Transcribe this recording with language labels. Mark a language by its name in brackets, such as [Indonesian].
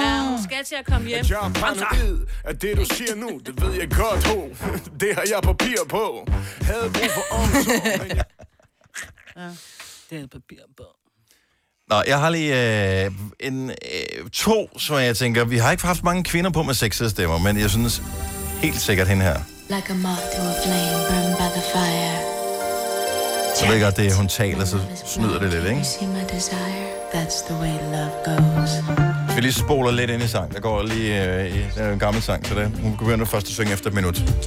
[Danish] Ja, hun skal til at komme hjem. At jeg er paranoid, at det du siger nu, det ved jeg godt, ho. Det har jeg papir på. Havde brug for omsorg, men ja, det er papir på. Nå, jeg har lige to, som jeg tænker, vi har ikke haft mange kvinder på med sexede stemmer, men jeg synes helt sikkert hende her. [English] Like a moth to a flame burned by the fire. [Danish] Så ved jeg godt, det er, hun taler, så snyder det lidt, ikke? [English] That's the way love goes. [Danish] Vi lige spoler lidt ind i sang. Der går lige en gammel sang til det. Hun kan begynde først at synge efter et minut.